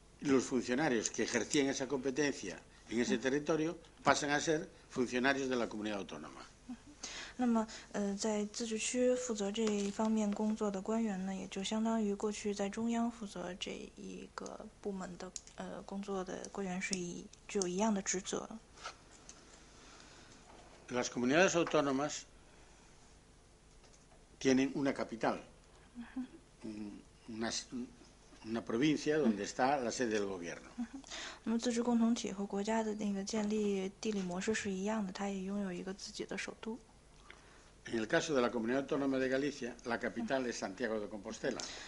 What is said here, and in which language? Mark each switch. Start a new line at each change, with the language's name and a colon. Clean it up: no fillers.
Spanish: Los funcionarios que ejercían esa competencia en ese territorio pasan a ser funcionarios de la comunidad autónoma.
Chinese: 那么，在自治区负责这一方面工作的官员呢，也就相当于过去在中央负责这一个部门的工作的官员是一样的职责。
Spanish: Las comunidades autónomas tienen una capital, una provincia donde está la sede del gobierno.
Chinese: 那么自治共同体和国家的那个建立地理模式是一样的，它也拥有一个自己的首都。
Spanish: En el caso de la Comunidad Autónoma de Galicia, la capital es Santiago de Compostela.